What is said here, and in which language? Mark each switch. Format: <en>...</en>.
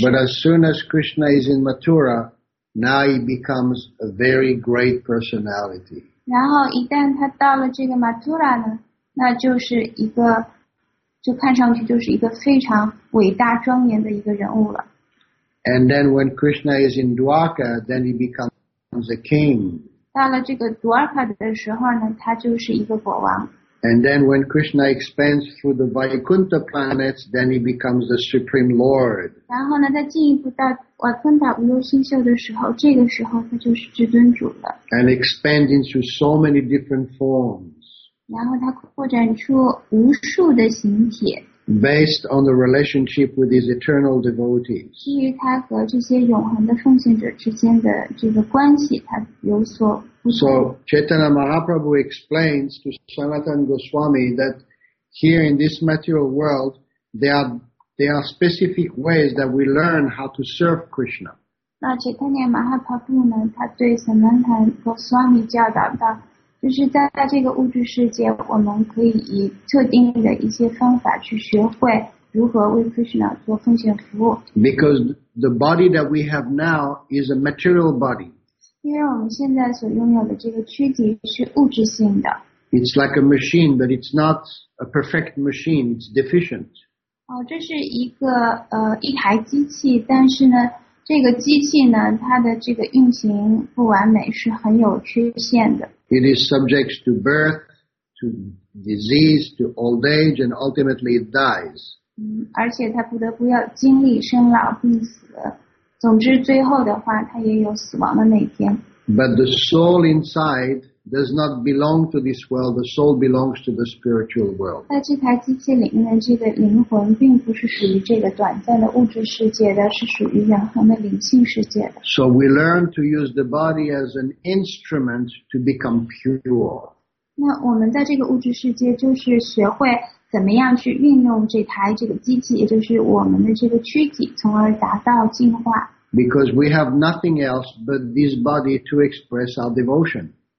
<en>But as soon as Krishna is in Mathura, now he becomes a very great personality.</en> <zh>然后一旦他到了这个 Mathura 呢，那就是一个，就看上去就是一个非常伟大庄严的一个人物了。</zh> <en>And then when Krishna is in Dwarka, then he becomes a king.</en> <zh>到了这个 Dwarka 的时候呢，他就是一个国王。</zh> <en>And then when Krishna expands through the Vaikuntha planets, then he becomes the supreme lord.</en> <zh>然后呢，他进一步到瓦昆达无忧星宿的时候，这个时候他就是至尊主了。</zh> <en>And expand into so many different forms.</en> <zh>然后他扩展出无数的形体。</zh> <en>Based on the relationship with his eternal devotees.</en> <zh>基于他和这些永恒的奉献者之间的这个关系，他有所不同。</zh> <en>So Chaitanya Mahaprabhu explains to Sanatana Goswami that here in this material world, there are specific ways that we learn how to serve Krishna.</en> <zh>那 Chaitanya Mahaprabhu 呢，他对 Sanatana Goswami 教导道，就是在这个物质世界，我们可以以特定的一些方法去学会如何为 Krishna 做奉献服务。</zh> <en>Because the body that we have now is a material body.</en> <zh>因为我们现在所拥有的这个躯体是物质性的。</zh> <en>It's like a machine, but it's not a perfect machine. It's deficient.</en> <zh>这是一个一台机器，但是呢，这个机器呢，它的这个运行不完美，是很有缺陷的。</zh> <en>It is subject to birth, to disease, to old age, and ultimately it dies.</en> <zh>而且它不得不要经历生老病死。总之，最后的话，它也有死亡的那天。</zh> <en>But the soul inside does not belong to this world. The soul belongs to the spiritual world.</en> <zh>在这台机器里面的这个灵魂，并不是属于这个短暂的物质世界的，是属于永恒的灵性世界的。</zh> <en>So we learn to use the body as an instrument to become pure.</en> <zh>那我们在这个物质世界，就是学会怎么样去运用这台这个机器，也就是我们的这个躯体，从而达到净化。</zh> <en>Because we have nothing else but this body to express our devotion.</en>